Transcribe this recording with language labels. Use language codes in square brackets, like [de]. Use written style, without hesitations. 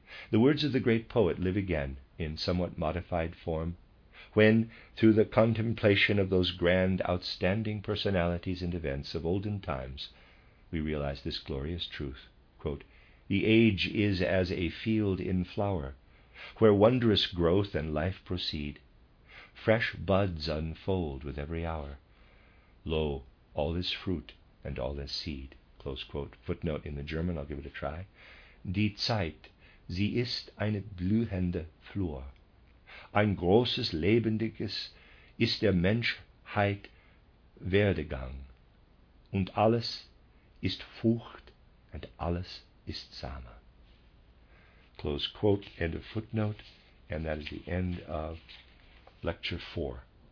[en] The words of the great poet live again in somewhat modified form, when, through the contemplation of those grand, outstanding personalities and events of olden times, we realize this glorious truth, quote, "The age is as a field in flower, where wondrous growth and life proceed. Fresh buds unfold with every hour. Lo, all is fruit and all is seed." Close quote. Footnote in the German, I'll give it a try. [de] "Die Zeit, sie ist eine blühende Flur. Ein großes Lebendiges ist der Menschheit Werdegang. Und alles ist Frucht und alles ist Same." [en] Close quote, end of footnote, and that is the end of Lecture 4.